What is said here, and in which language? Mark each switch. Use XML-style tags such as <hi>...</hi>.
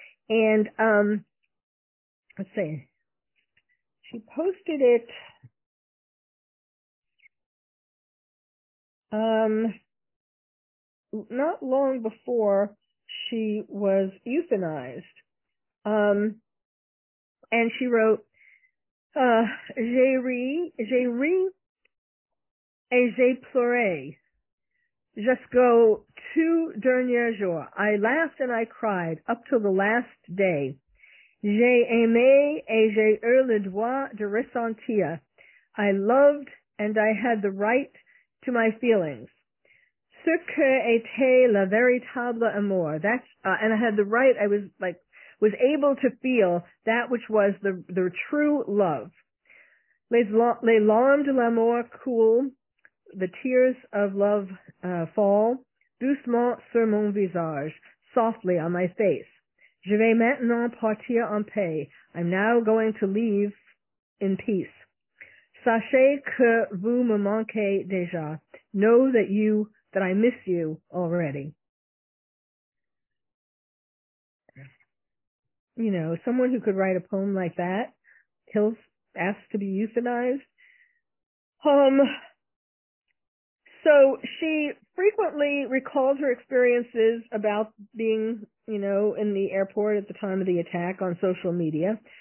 <en>And let's see, she posted it not long before she was euthanized. And she wrote,</en> <fr>j'ai ri et j'ai pleuré jusqu'aux tous derniers jours.</fr> <en>I laughed and I cried up till the last day.</en> <fr>J'ai aimé et j'ai eu le droit de ressentir.</fr> <en>I loved and I had the right to my feelings.</en> <fr>Ce que était la véritable amour.</fr> <en>And I had the right, I was like, was able to feel that which was the true love.</en> <fr>Les larmes de l'amour coule.</fr> <en>The tears of love fall</en> <fr>doucement sur mon visage,</fr> <en>softly on my face.</en> <fr>Je vais maintenant partir en paix.</fr> <en>I'm now going to leave in peace.</en> <fr>Sachez que vous me manquez déjà.</fr> <en>Know that I miss you already. You know, someone who could write a poem like that, kills, asks to be euthanized. So she frequently recalled her experiences about being, you know, in the airport at the time of the attack on social media.</en>